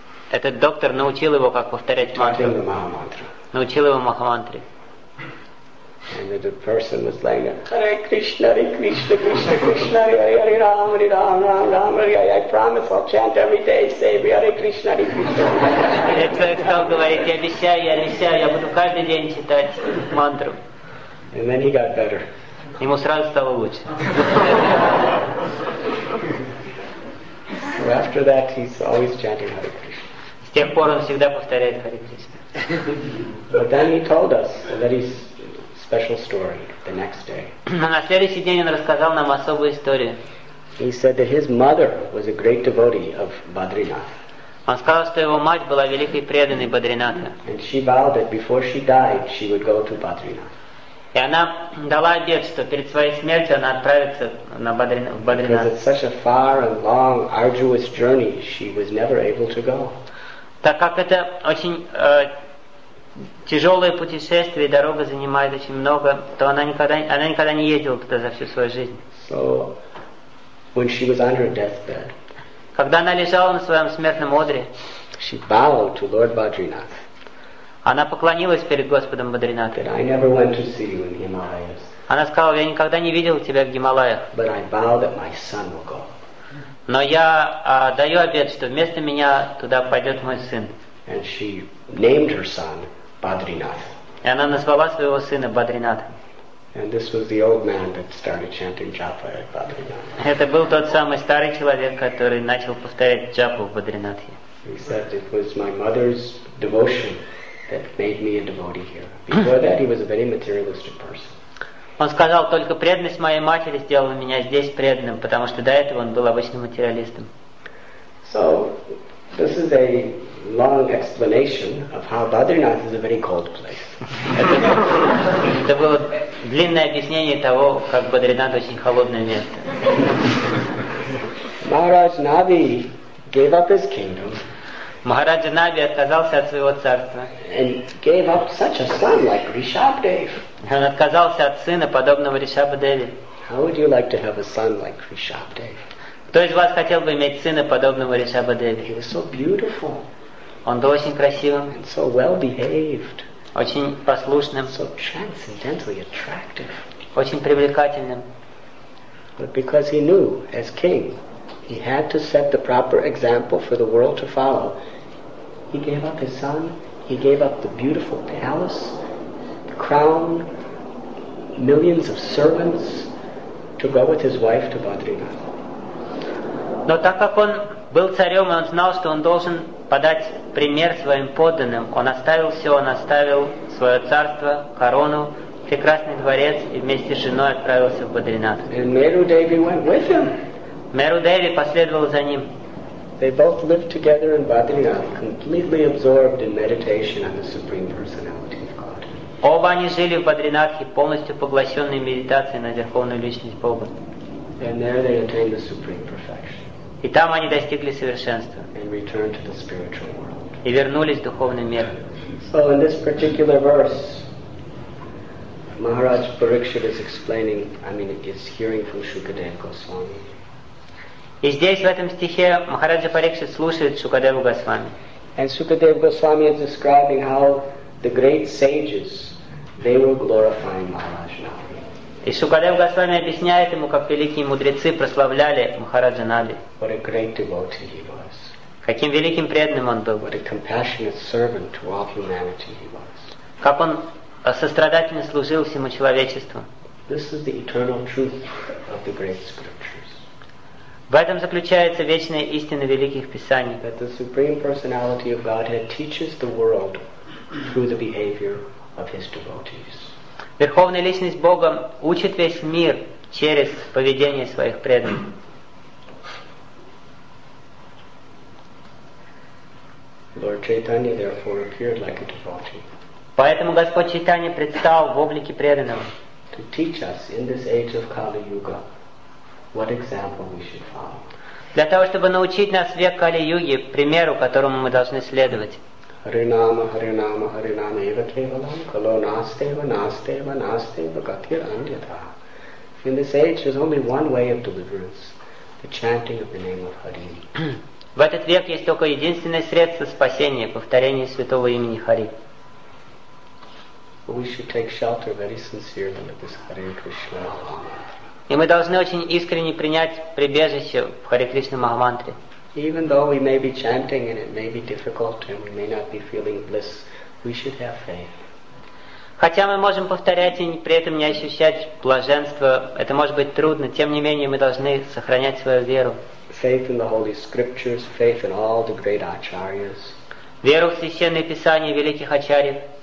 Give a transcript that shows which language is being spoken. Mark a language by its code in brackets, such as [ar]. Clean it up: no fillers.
[ru] Этот доктор научил его, как повторять мантру. Научил его Махамантре. [en] And the person was like, [sa] Hare Krishna, Hare Krishna, Krishna Krishna, Hare Rama, Hare Rama, Rama Rama, Hare Hare. [en] I promise, I'll chant every day, say, [sa] Hare Krishna, Hare Krishna. [ru] Этот человек стал говорить, я обещаю, я буду каждый день читать мантру. [en] And then he got better. [ru] Ему сразу стало лучше. [en] So after that, he's always chanting Hare Krishna. [ru] С тех пор он всегда повторяет Hare Krishna. [en] But then he told us that he's special story the next day. [ru] На следующий день он рассказал нам особую историю. [en] He said that his mother was a great devotee of Badrinath. [ru] Он сказал, что его мать была великой преданной Бадринатха. [en] And she vowed that before she died, she would go to Badrinath. [ru] И она дала обет, что перед своей смертью она отправится на Бадринат. [en] Because it's such a far and long, arduous journey, she was never able to go. [ru] Так как это очень тяжелое путешествие, дорога занимает очень много, то она никогда не ездила туда за всю свою жизнь. [en] So, when she was on her deathbed, [ru] когда она лежала на своем смертном одре, [en] she bowed to Lord Badrinath. [ru] Она поклонилась перед Господом Бадринатхой. [en] I never went to see you in the Himalayas. [ru] Она сказала, я никогда не видел тебя в Гималаях. [en] But I vow that my son will go. [ru] Но я даю обет, что вместо меня туда пойдет мой сын. [en] And she named her son Badrinath. [ru] И она назвала своего сына Бадринатхой. [en] And this was the old man that started chanting Japa at Badrinath. [ru] Это был тот самый старый человек, который начал повторять Джапу в Бадринатхе. [en] He said it was my mother's devotion that made me a devotee here. Before that, he was a very materialistic person. [ru] Он сказал, только преданность моей матери сделала меня здесь преданным, потому что до этого он был обычным материалистом. [en] So, this is a long explanation of how Badrinath is a very cold place. [ru] Это было длинное объяснение того, как Бадринат очень холодное место. [en] Maharaj Nabi gave up his kingdom. [ru] Maharaj Nabi отказался от своего царства. [en] And gave up such a son like Rishabhdev. [ru] Он отказался от сына подобного Ришабхдеве. [en] How would you like to have a son like Rishabhdev? [ru] Кто из вас хотел бы иметь сына подобного Ришабхдеве? [en] He was so beautiful. [ru] Он был очень красивым. [en] And so well behaved. [ru] Очень послушным. [en] So transcendentally attractive. [ru] Очень привлекательным. [en] But because he knew, as king, he had to set the proper example for the world to follow, he gave up his son, he gave up the beautiful palace, the crown, millions of servants, to go with his wife to Badrinath. [ru] Но так как он был царем, и он знал, что он должен подать пример своим подданным, он оставил все, он оставил свое царство, корону, прекрасный дворец и вместе с женой отправился в Бадринат. [en] And Meru Devi went with him. [ru] Meru Devi последовал за ним. [en] They both lived together in Badrinath, completely absorbed in meditation on the Supreme Personality of God. [ru] Оба они жили в Бадринатхе, полностью поглощенные медитацией на Верховную Личность Бога. [en] And there they attained the supreme perfection. [ru] И там они достигли совершенства. [en] And returned to the spiritual world. [ru] И вернулись в духовный мир. [en] So in this particular verse, Maharaj Parikshit is explaining, I mean, is hearing from Shukadeva Goswami. [ru] И здесь, в этом стихе, Махараджа Парикшит слушает Шукадеву Госвами. [en] And Shukadeva Goswami is describing how the great sages, they were glorifying Maharaj Nabi. [ru] И Шукадева Госвами объясняет ему, как великие мудрецы прославляли Махараджа Наби. [en] What a great devotee he was. [ru] Каким великим преданным он был. [en] What a compassionate servant to all humanity he was. [ru] Как он сострадательно служил всему человечеству. [en] This is the eternal truth of the great scriptures. [ru] В этом заключается вечная истина великих писаний. [en] That the supreme personality of Godhead teaches the world through the behavior of his devotees. [ru] Верховная личность Бога учит весь мир через поведение своих преданных. [en] Lord Chaitanya therefore appeared like a devotee. [ru] Поэтому Господь Чайтанья предстал в облике преданного. [en] To teach us in this age of Kali Yuga what example we should follow. [ru] Для того, чтобы научить нас век Кали Юги примеру, которому мы должны следовать. [sa] Харинама, Харинама, Харинама, Ева Кевалам, Кало Настева, Настева, Настева, Гатхир Андьята. [en] In this age there's only one way of deliverance, the chanting of the name of Hari. [ru] В этот век есть только единственное средство спасения, повторение святого имени Хари. [en] We should take shelter very sincerely of this Hare Krishna Mahamantra. [ru] И мы должны очень искренне принять прибежище в Харе Кришна Махамантре. [en] Even though we may be chanting and it may be difficult and we may not be feeling bliss, we should have faith. [ru] Хотя мы можем повторять и при этом не ощущать блаженство, это может быть трудно, тем не менее мы должны сохранять свою веру. [en] Faith in the holy scriptures, faith in all the great acharyas. [ru] Веру в священные писания великих ачарьев.